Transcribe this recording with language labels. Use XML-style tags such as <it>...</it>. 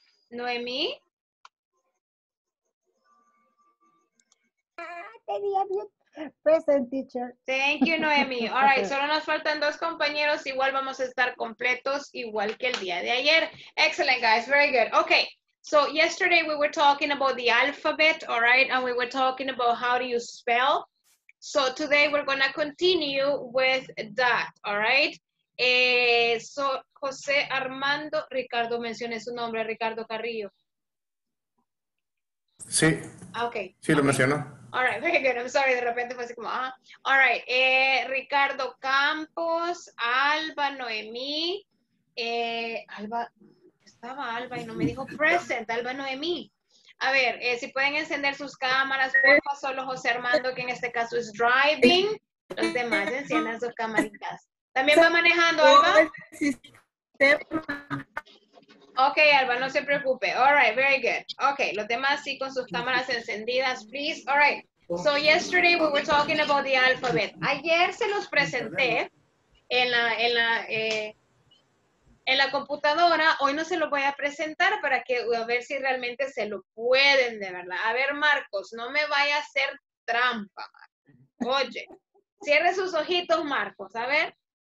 <en>Noemí. Present, teacher. Thank you, Noemí. All right,</en> <es>solo nos faltan dos compañeros. Igual vamos a estar completos, igual que el día de ayer.</es> <en>Excellent, guys. Very good. Okay. So yesterday we were talking about the alphabet, all right? And we were talking about how do you spell. So today we're going to continue with that, all right?</en> <es>So José Armando, Ricardo, mencioné su nombre, Ricardo Carrillo. Sí.</es> <en>Okay.</en> <es>Sí, lo mencionó.</es> <en>All right, very good. I'm sorry,</en> <es>de repente fue así como,</es> <en>All right, Ricardo Campos, Alba, Noemí.</en> <es>Alba, estaba Alba y no me dijo present, Alba, Noemí. A ver, si pueden encender sus cámaras, por favor, solo José Armando, que en este caso es driving. Los demás enciendan sus camaritas. ¿También va manejando, Alba?</es> <en>Ok, Alba,</en> <es>no se preocupe.</es> <en>All right, very good.</en> <es>Ok, los demás sí con sus cámaras encendidas, please.</es> <en>All right, so yesterday we were talking about the alphabet.</en> <es>Ayer se los presenté en la computadora, hoy no se lo voy a presentar para que, a ver si realmente se lo pueden, de verdad. A ver, Marcos, no me vaya a hacer trampa. Oye, cierre sus ojitos, Marcos, a ver.</es>